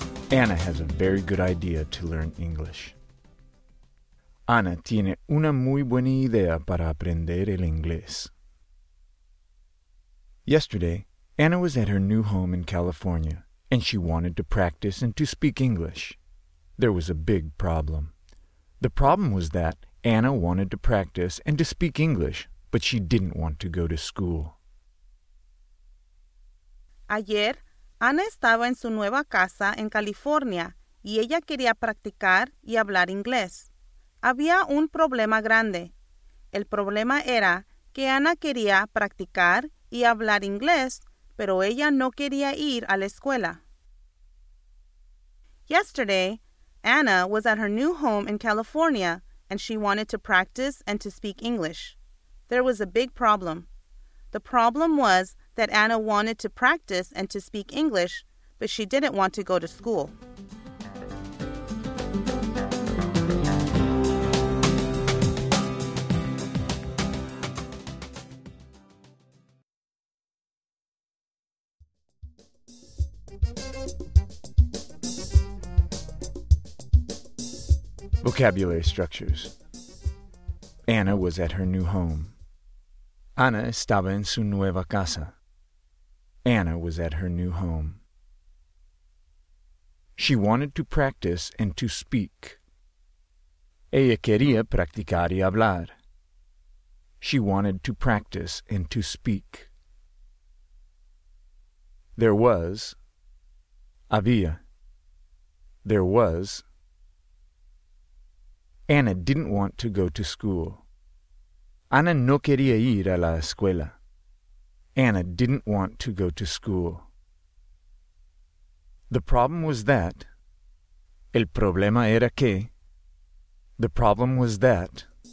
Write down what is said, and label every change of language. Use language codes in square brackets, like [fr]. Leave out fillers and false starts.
[en] Anna has a very good idea to learn English. [es] Anna tiene una muy buena idea para aprender el inglés. [en] Yesterday, Anna was at her new home in California, and she wanted to practice and to speak English. There was a big problem. The problem was that Anna wanted to practice and to speak English, but she didn't want to go to school. [es] Ayer, Anna estaba en su nueva casa en California, y ella quería practicar y hablar inglés. Había un problema grande. El problema era que Anna quería practicar y hablar inglés, pero ella no quería ir a la escuela. [en] Yesterday, Anna was at her new home in California, and she wanted to practice and to speak English. There was a big problem. The problem was that Anna wanted to practice and to speak English, but she didn't want to go to school. Vocabulary structures. Anna was at her new home. [es] Anna estaba en su nueva casa. [en] Anna was at her new home. She wanted to practice and to speak. [es] Ella quería practicar y hablar. [en] She wanted to practice and to speak. There was. [es] Había. [en] There was. Anna didn't want to go to school. [es] Anna no quería ir a la escuela. [en] Anna didn't want to go to school. The problem was that. [es] El problema era que. [en] The problem was that.